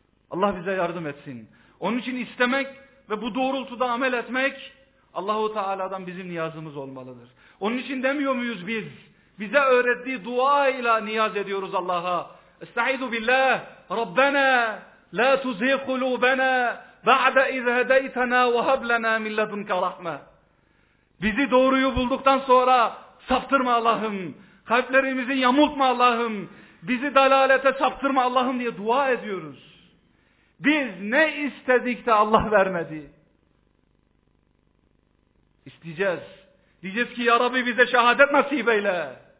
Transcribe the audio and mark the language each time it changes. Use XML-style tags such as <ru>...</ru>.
<tr>Allah bize yardım etsin. Onun için istemek ve bu doğrultuda amel etmek Allah-u Teala'dan bizim niyazımız olmalıdır. Onun için demiyor muyuz biz? Bize öğrettiği dua ile niyaz ediyoruz Allah'a.</tr> <ar>Estaizu billah, Rabbena, la tuzih kulubena. بَعْدَ اِذْ هَدَيْتَنَا وَهَبْ لَنَا مِنْ لَدُنْكَ رَحْمَةً</ar> <tr>Bizi doğruyu bulduktan sonra saptırma Allah'ım. Kalplerimizi yamultma Allah'ım. Bizi dalalete saptırma Allah'ım diye dua ediyoruz. Biz ne istedik de Allah vermedi. İsteyeceğiz. Diyeceğiz ki ya Rabbi bize şehadet nasip eyle.</tr>